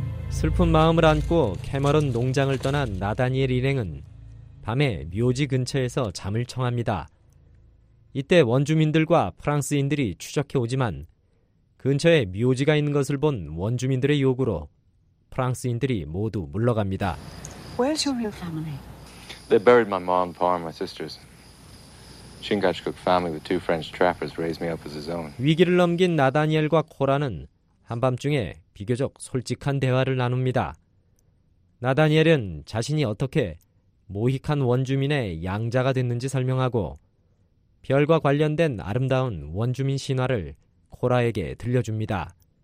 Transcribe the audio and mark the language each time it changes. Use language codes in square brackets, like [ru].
[ko] 슬픈 마음을 안고 캐머런 농장을 떠난 나다니엘 일행은 밤에 묘지 근처에서 잠을 청합니다. 이때 원주민들과 프랑스인들이 추적해 오지만 근처에 묘지가 있는 것을 본 원주민들의 요구로 프랑스인들이 모두 물러갑니다. [en] Where's your real family? They buried my mom, pa, and my sisters. Chingachgook family with two French trappers raised me up as his own. [ko] 위기를 넘긴 나다니엘과 코라는 한밤중에 비교적 솔직한 대화를 나눕니다. 나다니엘은 자신이 어떻게 모히칸 원주민의 양자가 됐는지 설명하고 별과 관련된 아름다운 원주민 신화를 코라에게 들려줍니다.